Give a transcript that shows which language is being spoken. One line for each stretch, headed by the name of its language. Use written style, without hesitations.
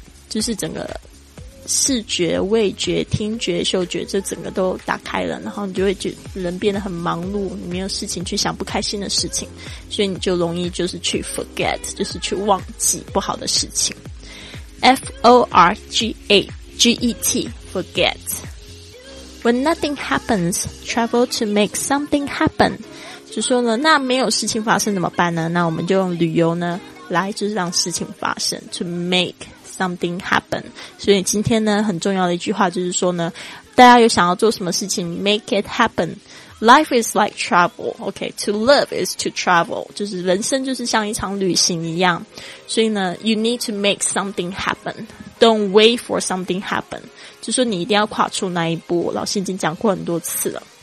Chinese: 就是整个视觉、味觉、听觉、嗅觉这整个都打开了，然后你就会觉得人变得很忙碌，你没有事情去想不开心的事情，所以你就容易就是去 forget， 就是去忘记不好的事情。
English: F-O-R-G-A-G-E-T forget. When nothing happens, travel to make something happen.
Chinese: 就说呢，那没有事情发生怎么办呢，那我们就用旅游呢来就是让事情发生，
English: to makeSomething happen，
Chinese: 所以今天呢很重要的一句话就是说呢，大家有想要做什么事情
English: make it happen， life is like travel， ok to live is to travel，
Chinese: 就是人生就是像一场旅行一样，所以呢
English: you need to make something happen， don't wait for something happen，
Chinese: 就说你一定要跨出那一步，老师已经讲过很多次了。